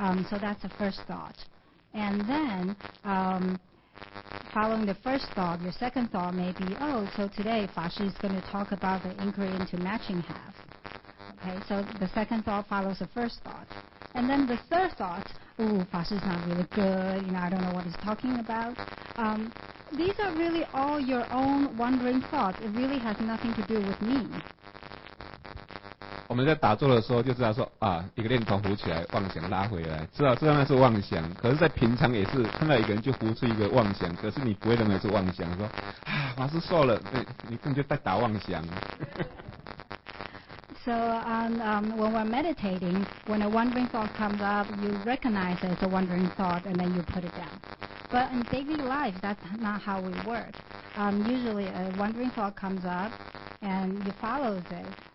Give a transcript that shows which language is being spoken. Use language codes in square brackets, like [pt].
[en] So that's the first thought. And then following the first thought, your second thought may be, oh, so today Fa Shi is going to talk about the inquiry into matching half. Okay, so the second thought follows the first thought. And then the third thought, oh, Fa Shi is not really good, you know, I don't know what he's talking about. These are really all your own wandering thoughts. It really has nothing to do with me. [zh] 我们在打坐的时候就知道说啊，一个念头浮起来，妄想拉回来，知道那是妄想。可是，在平常也是看到一个人就浮出一个妄想，可是你不会认为是妄想，说啊，法师瘦了，你根本就在打妄想。 [en] So when we're meditating, when a wandering thought comes up, you recognize it as a wandering thought, and then you put it down. But in daily life, that's not how we work. Usually, a wandering thought comes up, and you follow it.